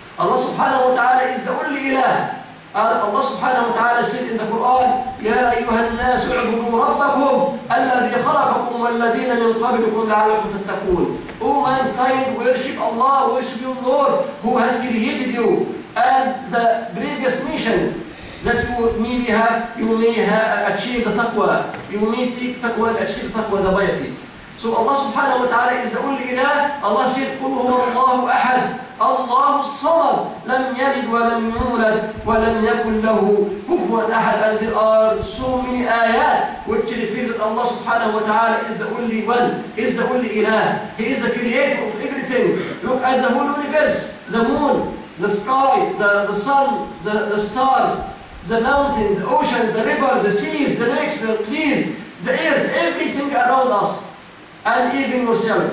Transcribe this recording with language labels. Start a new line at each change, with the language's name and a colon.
English: Allah subhanahu wa ta'ala is the only ilah. Allah subhanahu wa ta'ala said in the Quran,
Arabic: يَا أَيُّهَا النَّاسُ اعْبُدُوا رَبَّكُمْ الَّذِي خَلَقَكُمْ وَالَّذِينَ مِنْ قَبْلِكُمْ لَعَلَّكُمْ تَتَّقُونَ.
English: O mankind, worship Allah, worship your Lord, who has created you and the previous nations, that you may achieve the taqwa. You may take taqwa and achieve taqwa, the piety. So Allah subhanahu wa ta'ala is the only ilah. Allah said,
Arabic: قُلْ هُوَ اللَّهُ أَحَدْ الله الصمد لم يلد ولم يولد ولم يكن له كفوا احد.
English: And there are so many ayat which reveal that Allah subhanahu wa ta'ala is the only one, is the only ilah. He is the creator of everything. Look at the whole universe, the moon, the sky, the sun, the stars, the mountains, the oceans, the rivers, the seas, the lakes, the trees, the earth, everything around us, and even yourself.